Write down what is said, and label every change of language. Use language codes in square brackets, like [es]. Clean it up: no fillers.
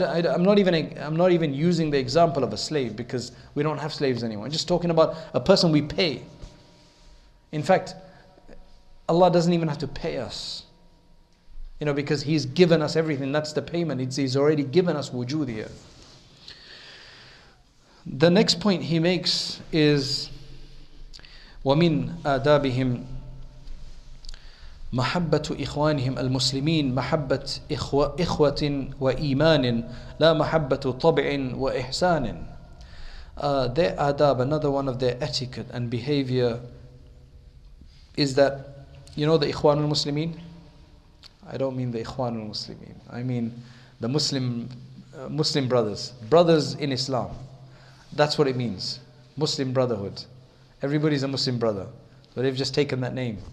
[en] I'm not even using the example of a slave, because we don't have slaves anymore. I'm just talking about a person we pay. In fact, Allah doesn't even have to pay us. You know, because He's given us everything. That's the payment. He's already given us wujud here. The next point he makes is, [ar] وَمِنْ آدَابِهِمْ محبه اخوانهم المسلمين محبه اخوه وايمان لا محبه طبع واحسان. [en] Their adab, another one of their etiquette and behavior, is that, you know, the ikhwan al-muslimin, I don't mean the ikhwan al-muslimin, I mean the muslim brothers in Islam. That's what it means, Muslim brotherhood. Everybody's a Muslim brother, but they've just taken that name.